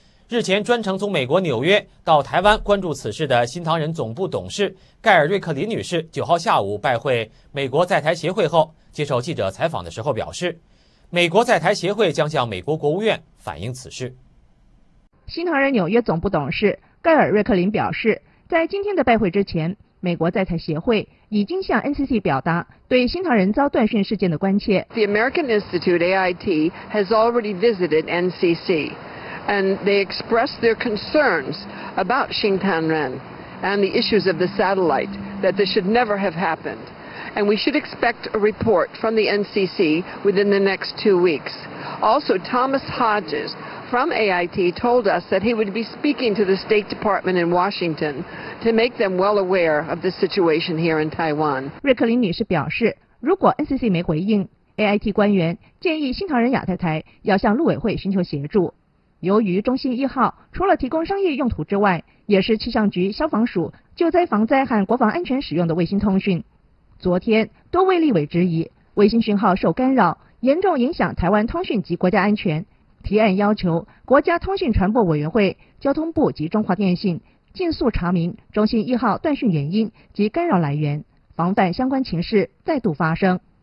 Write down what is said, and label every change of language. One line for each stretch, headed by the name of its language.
Chinese: 日前专程从美国纽约到台湾关注此事的新唐人总部董事盖尔瑞克林女士，九号下午拜会美国在台协会后，接受记者采访的时候表示，美国在台协会将向美国国务院反映此事。新唐人纽约总部董事盖尔瑞克林表示，在今天的拜会之前，美国在台协会已经向 NCC 表达对新唐人遭断讯事件的关切。
English: The American Institute AIT has already visited NCC, and they expressed their concerns about Xintangren and the issues of the satellite, that this should never have happened. And we should expect a report from the NCC within the next 2 weeks. Also, Thomas Hodges from AIT told us that he would be speaking to the State Department in Washington to make them well aware of the situation here in Taiwan.
Chinese: 瑞克林女士表示，如果 NCC 没回应，AIT 官员建议新唐人亚太台要向陆委会寻求协助。由于中心一号除了提供商业用途之外，也是气象局、消防署救灾防灾和国防安全使用的卫星通讯。昨天多位立委质疑卫星讯号受干扰，严重影响台湾通讯及国家安全，提案要求国家通讯传播委员会、交通部及中华电信尽速查明中心一号断讯原因及干扰来源，防范相关情势再度发生。